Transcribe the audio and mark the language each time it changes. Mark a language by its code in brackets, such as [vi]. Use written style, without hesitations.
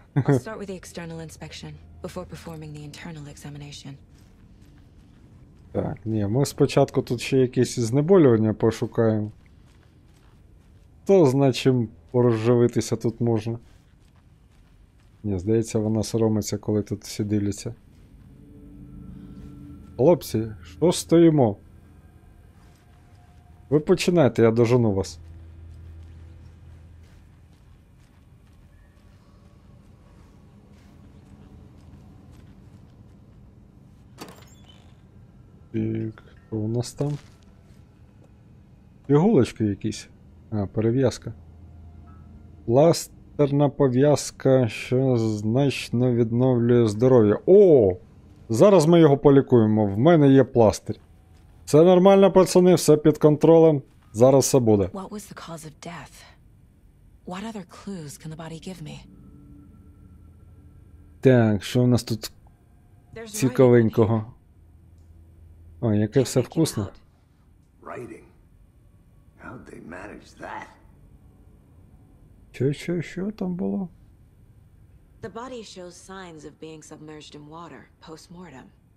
[en] We'll start with the external inspection before performing the internal examination. [uk] Так, ні, ми спочатку тут ще якісь знеболювання пошукаємо. То значим пороживитися тут можна. Ні, здається, вона соромиться, коли тут всі дивляться. Хлопці, що стоїмо? Ви починайте, я дожену вас. Так, хто у нас там? Іголочки якісь. А, перев'язка. Ласт. Терна пов'язка, що значно відновлює здоров'я. О! Зараз ми його полікуємо. В мене є пластир. Все нормально, пацани, все під контролем. Зараз все буде. [en] What was the cause of death? What other clues can the body give me? [uk] Так, що в нас тут цікавенького? О, яке все вкусне. [en] Writing. How did they manage that? [uk] Що там було? [en] The body shows signs of being submerged in water post-mortem.